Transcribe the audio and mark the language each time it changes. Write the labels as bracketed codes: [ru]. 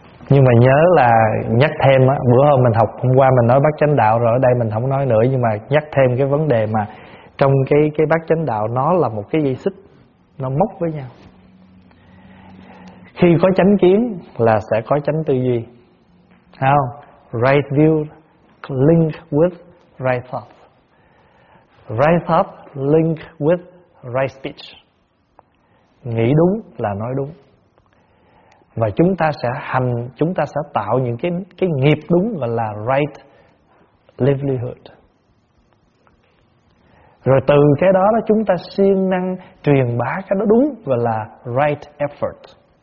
[vi] Nhưng mà nhớ là nhắc thêm á, bữa hôm mình học hôm qua mình nói Bát Chánh Đạo rồi, ở đây mình không nói nữa, nhưng mà nhắc thêm cái vấn đề mà trong cái Bát Chánh Đạo nó là một cái dây xích, nó móc với nhau. Khi có chánh kiến là sẽ có chánh tư duy. [en] How? Right view link with right thought. Right thought link with right speech. [vi] Nghĩ đúng là nói đúng. Và chúng ta sẽ hành, chúng ta sẽ tạo những cái nghiệp đúng, gọi là right livelihood. Rồi từ cái đó đó chúng ta siêng năng truyền bá cái đó đúng, gọi là right effort.